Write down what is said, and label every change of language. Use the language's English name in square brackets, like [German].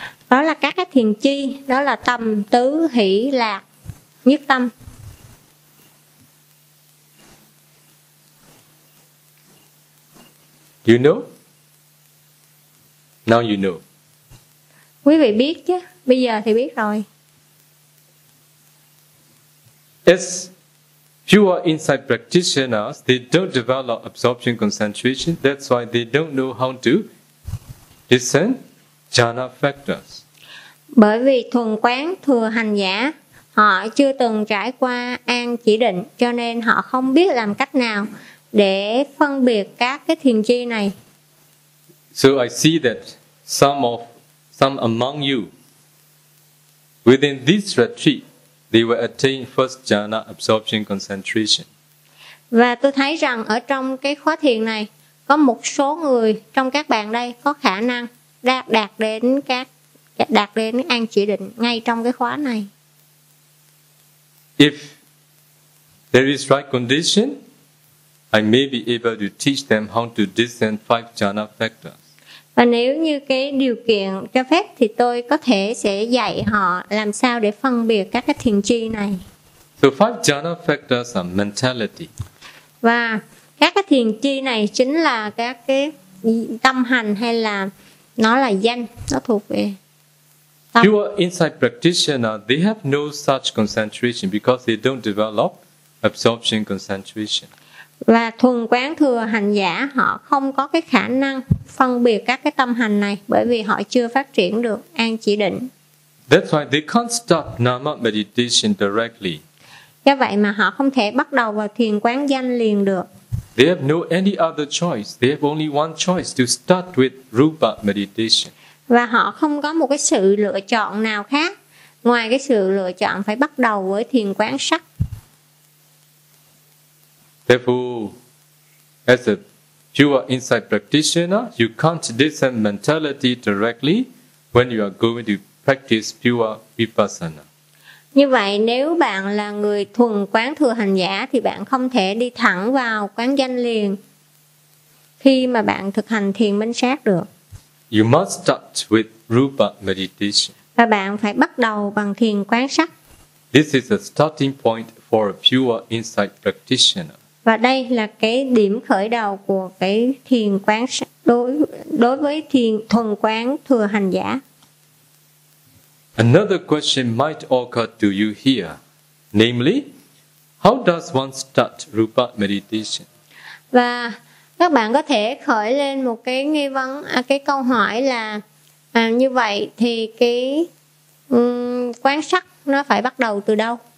[Vietnamese] Đó là các cái thiền chi, đó là tâm tứ hỷ lạc nhất tâm. [English] You know? Now you know. [Vietnamese] Quý vị biết chứ, bây giờ thì biết rồi. [English] As pure insight practitioners, they don't develop absorption concentration. That's why they don't know how to listen jhana factors. [Vietnamese] Bởi vì thuần quán thừa hành giả, họ chưa từng trải qua an chỉ định, cho nên họ không biết làm cách nào để phân biệt các cái thiền chi này. [English] So I see that some among you within this retreat they will attain first jhana absorption concentration. [Vietnamese] Và tôi thấy rằng ở trong cái khóa thiền này có một số người trong các bạn đây có khả năng đạt đến an chỉ định ngay trong cái khóa này. [English] If there is right condition, I may be able to teach them how to discern five jhana factors. [Vietnamese] Và nếu như cái điều kiện cho phép thì tôi có thể sẽ dạy họ làm sao để phân biệt các cái thiền chi này. [English] So five jhana factors are mentality. [Vietnamese] Và các cái thiền chi này chính là các cái tâm hành, hay là nó là danh, nó thuộc về tâm. [English] Pure insight practitioner, they have no such concentration because they don't develop absorption concentration. [Vietnamese] Và thuần quán thừa hành giả, họ không có cái khả năng phân biệt các cái tâm hành này bởi vì họ chưa phát triển được an chỉ định. [English] That's why they can't start nama meditation directly. [Vietnamese] Do vậy mà họ không thể bắt đầu vào thiền quán danh liền được. [English] They have no any other choice. They have only one choice to start with Rupa meditation. [Vietnamese] Và họ không có một cái sự lựa chọn nào khác ngoài cái sự lựa chọn phải bắt đầu với thiền quán sắc. [English] Therefore, as a pure insight practitioner, you can't discern mentality directly when you are going to practice pure vipassana. [Vietnamese] Như vậy nếu bạn là người thuần quán thừa hành giả thì bạn không thể đi thẳng vào quán danh liền khi mà bạn thực hành thiền minh sát được. [English] You must start with rupa meditation. [Vietnamese] Và bạn phải bắt đầu bằng thiền quán sát. [English] This is a starting point for a pure insight practitioner. [Vietnamese] Và đây là cái điểm khởi đầu của cái thiền quán sát đối với thiền thuần quán thừa hành giả. [English] Another question might occur to you here, namely, how does one start rupa meditation? [Vietnamese] Và các bạn có thể khởi lên một cái nghi vấn, cái câu hỏi là như vậy thì cái quán sắc nó phải bắt đầu từ đâu?